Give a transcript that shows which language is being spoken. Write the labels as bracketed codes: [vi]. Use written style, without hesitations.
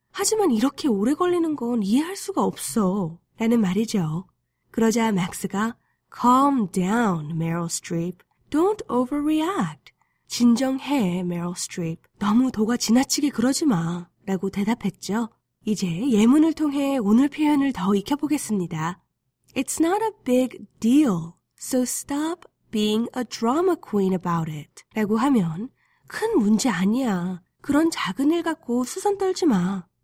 [ko] 하지만 이렇게 오래 걸리는 건 이해할 수가 없어 라는 말이죠. 그러자 맥스가 [en] Calm down, [ko] Meryl Streep. [en] Don't overreact. [ko] 진정해, [en] Meryl Streep. [ko] 너무 도가 지나치게 그러지 마. 라고 대답했죠. 이제 예문을 통해 오늘 표현을 더 익혀보겠습니다. [en] It's not a big deal, so stop being a drama queen about it. [ko] 라고 하면 큰 문제 아니야. 그런 작은 일 갖고 수선 떨지 마.